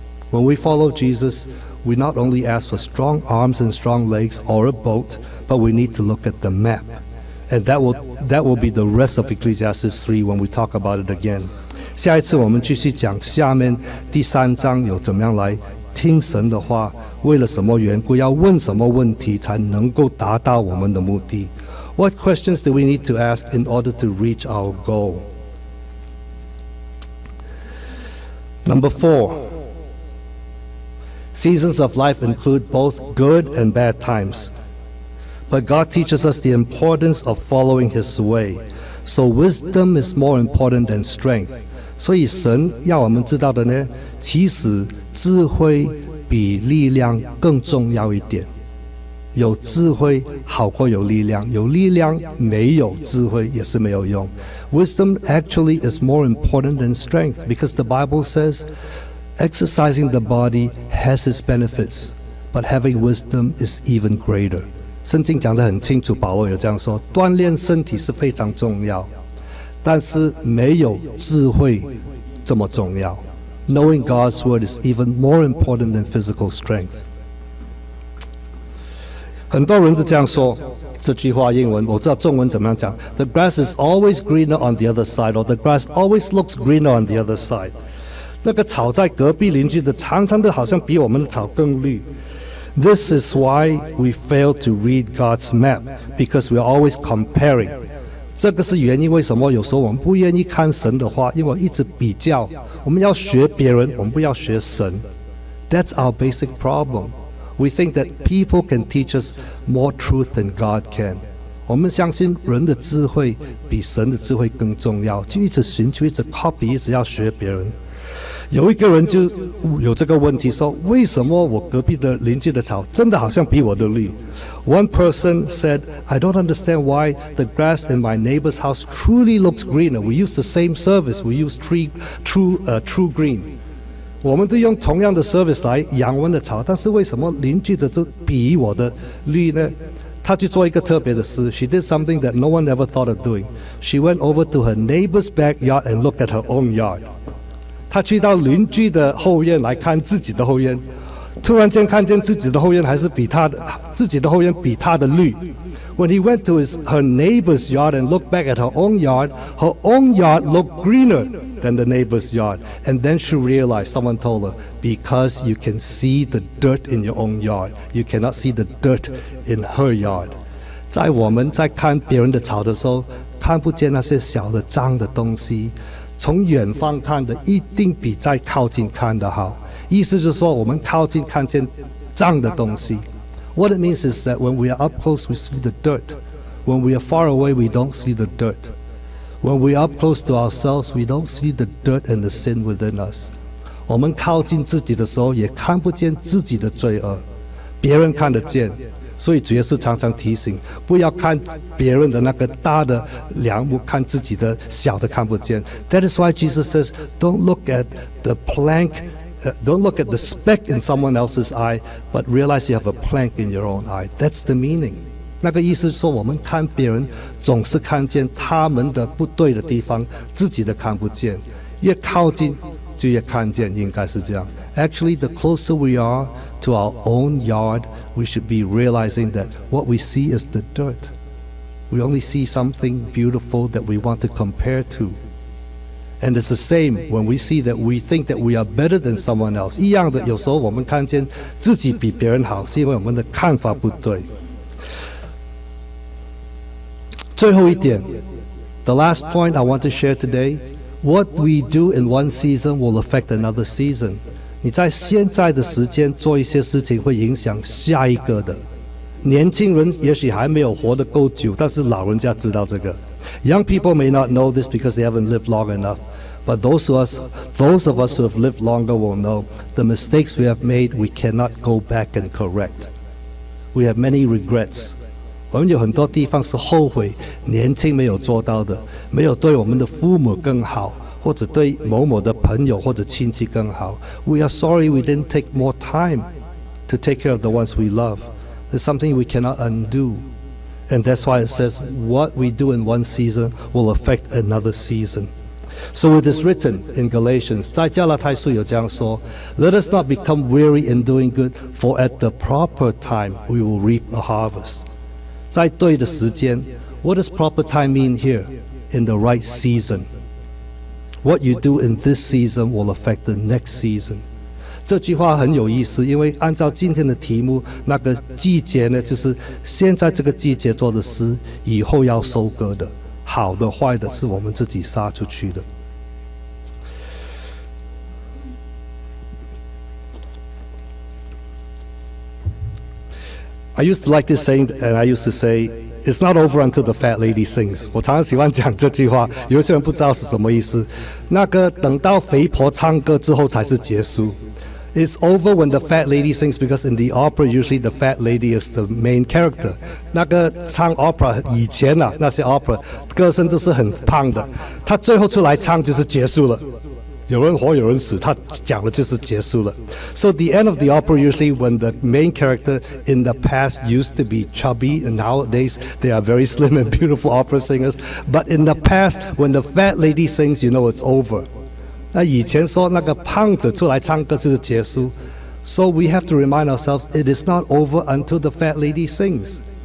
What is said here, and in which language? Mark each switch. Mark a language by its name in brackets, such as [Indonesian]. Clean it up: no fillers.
[English] When we follow Jesus, we not only ask for strong arms and strong legs or a boat, but we need to look at the map. And that will be the rest of Ecclesiastes 3 when we talk about it again. [Chinese] 下一次我们继续讲下面第三章有怎么样来听神的话，为了什么缘故，要问什么问题才能够达到我们的目的。 [English] What questions do we need to ask in order to reach our goal? Number four. Seasons of life include both good and bad times. But God teaches us the importance of following His way. So wisdom is more important than strength. [Chinese] 所以神要我们知道的呢，其实智慧比力量更重要一点。有智慧好过有力量，有力量没有智慧也是没有用。 [English] Wisdom actually is more important than strength, because the Bible says exercising the body has its benefits, but having wisdom is even greater. [Chinese] 圣经讲得很清楚，保罗有这样说，锻炼身体是非常重要，但是没有智慧这么重要。 [English] Knowing God's word is even more important than physical strength. [Chinese] 很多人就这样说，这句话英文我知道中文怎么样讲， [English] The grass is always greener on the other side, or the grass always looks greener on the other side. [Chinese] 那个草在隔壁邻居的常常都好像比我们的草更绿。 [English] This is why we fail to read God's map, because we're always comparing. [Chinese] 这个是原因，为什么有时候我们不愿意看神的话，因为我一直比较。我们要学别人，我们不要学神。 [English] That's our basic problem. We think that people can teach us more truth than God can. [Chinese] 我们相信人的智慧比神的智慧更重要，就一直寻求，一直 copy， 一直要学别人。有一个人就有这个问题，说为什么我隔壁的邻居的草真的好像比我的绿。 [English] One person said, I don't understand why the grass in my neighbor's house truly looks greener. We use the same service, we use true green. [Chinese] 我们都用同样的 service 来养我们的草，但是为什么邻居的都比我的绿呢？她去做一个特别的事， [English] She did something that no one ever thought of doing. She went over to her neighbor's backyard and looked at her own yard. [Chinese] 他去到邻居的后院来看自己的后院，突然间看见自己的后院还是比他的自己的后院比他的绿。 [English] When he went to her neighbor's yard and looked back at her own yard looked greener than the neighbor's yard. And then she realized, someone told her, because you can see the dirt in your own yard, you cannot see the dirt in her yard. [Chinese] 在我们在看别人的草的时候，看不见那些小的脏的东西。从远方看的一定比在靠近看的好，意思就是说我们靠近看见脏的东西。 [English] What it means is that when we are up close we see the dirt, when we are far away we don't see the dirt, when we are up close to ourselves we don't see the dirt and the sin within us. [Chinese] 我们靠近自己的时候也看不见自己的罪恶，别人看得见。所以主耶稣常常提醒，不要看别人的那个大的梁木，看自己的小的看不见。 [English] That is why Jesus says, don't look at the plank, don't look at the speck in someone else's eye, but realize you have a plank in your own eye. That's the meaning. [Chinese] 那个意思是说，我们看别人总是看见他们的不对的地方，自己的看不见。越靠近就越看见，应该是这样。 [English] Actually, the closer we are to our own yard,we should be realizing that what we see is the dirt. We only see something beautiful that we want to compare to. And it's the same when we see that we think that we are better than someone else. [Chinese] 一样的，有时候我们看见自己比别人好，是因为我们的看法不对。最后一点， [English] the last point I want to share today, what we do in one season will affect another season. [Chinese] 你在现在的时间做一些事情会影响下一个的。年轻人也许还没有活得够久，但是老人家知道这个。 [English] Young people may not know this because they haven't lived long enough, but those of us who have lived longer will know the mistakes we have made we cannot go back and correct. We have many regrets. [Chinese] 我们有很多地方是后悔年轻没有做到的，没有对我们的父母更好，或者对某某的朋友或者亲戚更好。 [English] We are sorry we didn't take more time to take care of the ones we love. There's something we cannot undo. And that's why it says, what we do in one season will affect another season. So it is written in Galatians, [Chinese] 在加拉太书有这样说, [English] let us not become weary in doing good, for at the proper time we will reap a harvest. [Chinese] 在对的时间, [English] what does proper time mean here? In the right season. What you do in this season will affect the next season. [Chinese] 这句话很有意思，因为按照今天的题目，那个季节呢，就是现在这个季节做的事，以后要收割的，好的坏的是我们自己杀出去的。 [English] I used to like this saying, and I used to say, it's not over until the fat lady sings. [Chinese] 我常常喜欢讲这句话，有些人不知道是什么意思，那个等到肥婆唱歌之后才是结束。 [English] It's over when the fat lady sings, because in the opera, usually the fat lady is the main character. [Chinese] 那个唱 opera 以前啊，那些 opera 歌声都是很胖的，他最后出来唱就是结束了，有人活有人死，他讲了就是结束了。 [English] So the end of the opera usually when the main character in the past used to be chubby, and nowadays they are very slim and beautiful opera singers. But in the past, when the fat lady sings, you know it's over. [Chinese] 那以前说那个胖子出来唱歌就是结束 [English] So we have to remind ourselves it is not over until the fat lady sings.